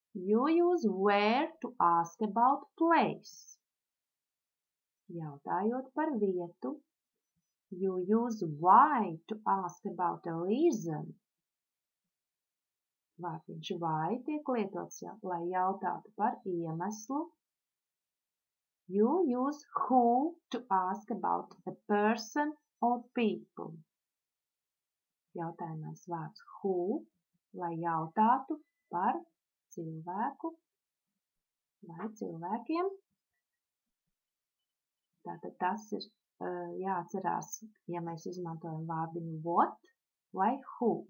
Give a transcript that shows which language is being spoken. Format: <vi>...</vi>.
<en>You use where to ask about place.</en> <lv>Jautājot par vietu,</lv> <en>you use why to ask about a reason.</en> <lv>Vārdiņš why tiek lietots, lai jautātu par iemeslu.</lv> <en>You use who to ask about a person or people.</en> <lv>Jautājumais vārds who, lai jautātu par cilvēku vai cilvēkiem. Tātad tas ir jāatcerās, ja mēs izmantojam vārdiņu what vai who.</lv>